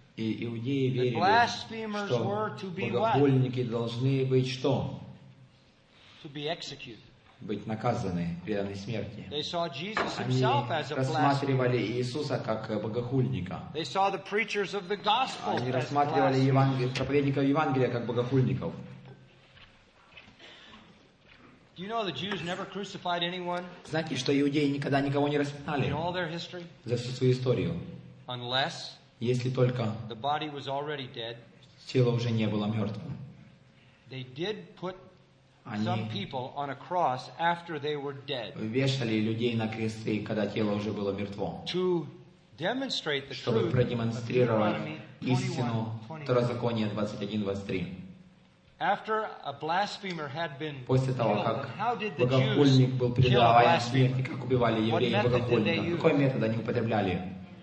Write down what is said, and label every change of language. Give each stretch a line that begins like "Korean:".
Russian: И иудеи верили, что богохульники должны быть что?
English: To be executed.
Russian: Быть наказаны, преданы смерти.
English: They saw Jesus
Russian: Они рассматривали Иисуса как богохульника.
English: They saw the preachers of the gospel
Russian: Они рассматривали проповедников Евангелия как богохульников.
English: Do you know the Jews never crucified anyone?
Russian: Знаете, что иудеи никогда никого не распинали
English: in all their history?
Russian: За всю свою историю?
English: Unless
Russian: Если только
English: the body was already dead,
Russian: тело уже не было мертвым.
English: They did put Some people on a cross after they were dead.
Russian: Вешали людей на кресты, когда тело уже было мертво.
English: To demonstrate the truth.
Russian: Чтобы продемонстрировать истину Второзакония 21:23.
English: After a blasphemer had been
Russian: После того, как богохульник был предан смерти, как убивали евреи богохульников, какой метод они употребляли?